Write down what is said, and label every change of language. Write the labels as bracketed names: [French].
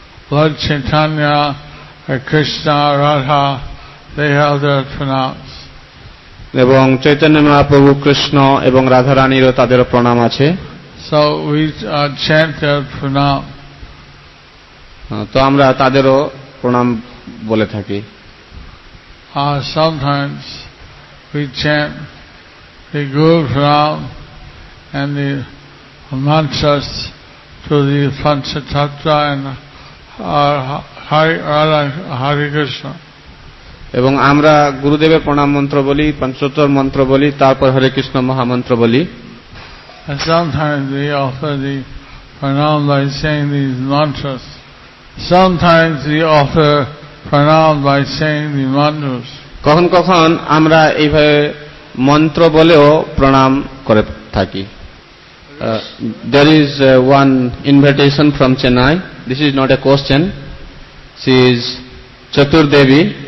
[English] Lord Chaitanya, Krishna, Radha, they have their pranams. [Bangla] এবং চৈতন্য মহাপ্রভু কৃষ্ণ এবং রাধা রানীরও তাদের প্রণাম আছে। [English] So we chant their pranam. [Bangla] তো আমরা তাদেরও প্রণাম বলে থাকি। [English] Sometimes we chant the Guru pranam and the mantras to the Panchatattva and [Bangla] এবং আমরা গুরুদেবের প্রণাম মন্ত্র বলি, পঞ্চতর মন্ত্র বলি, তারপর হরে কৃষ্ণ মহামন্ত্র বলি। [English] Sometimes we offer the pranam by saying these mantras. Sometimes we offer pranam by saying the mantras. [Bangla] কখন কখন আমরা এইভাবে মন্ত্র বলেও প্রণাম করে থাকি। [English] There is one invitation from Chennai. This is not a question. She is Chatur Devi.